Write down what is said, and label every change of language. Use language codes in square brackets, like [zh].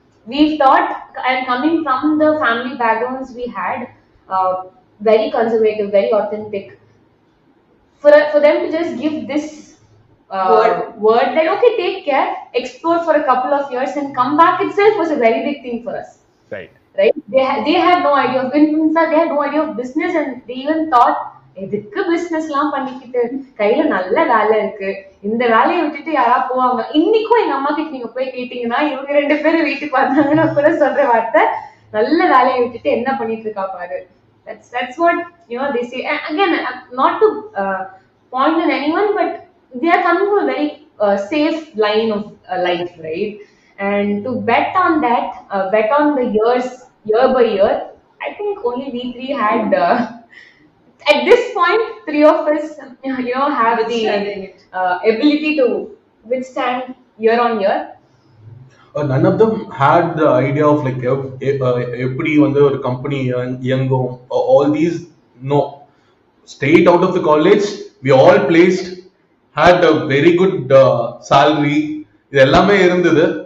[en] We've taught, and coming from the family backgrounds we had, very conservative, very authentic, for them to just give this word that okay, take care, explore for a couple of years and come back itself was a very big thing for us. Right. They had no idea of business. They had no idea of business, and they even thought, [ta] எதுக்கு business எல்லாம் பண்ணிக்கிட்டு கையில நல்ல வேலை இருக்கு, இந்த வேலையை விட்டுட்டு யாரா போவாங்க. இன்னைக்கும் எங்க அம்மா கிட்ட நீங்க போய் கேட்டீங்கன்னா இவங்க ரெண்டு பேரும் வீட்டுக்கு வந்தாங்கன்னு கூட சொல்ற வார்த்தை, நல்ல வேலையை விட்டுட்டு என்ன பண்ணிட்டு இருக்கா பாரு. [en] That's what, you know, they say. And again, not to point on anyone, but they are coming from a very safe line of life, right? And to bet on that, bet on the years, year by year, I think only we three had, at this point, three of us, you know, have the ability to withstand year on year. None of them had the idea of like [ta] எப்படி வந்து ஒரு company இயங்கும், [en] all these, no. Straight out of the college, we all placed, had a very good salary, [ta] இது எல்லாமே இருந்தது.